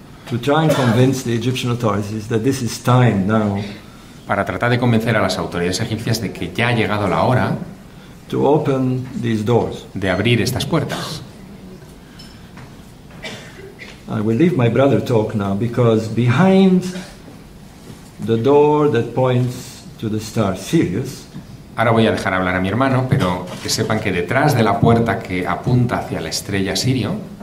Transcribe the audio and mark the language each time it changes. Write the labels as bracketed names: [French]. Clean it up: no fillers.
[English] To try and convince the Egyptian authorities that this is time now. [Spanish] Para tratar de convencer a las autoridades egipcias de que ya ha llegado la hora. [English] To open these doors. [Spanish] De abrir estas puertas. [English] I will leave my brother talk now because behind the door that points to the star Sirius. [Spanish] Ahora voy a dejar hablar a mi hermano, pero que sepan que detrás de la puerta que apunta hacia la estrella Sirio,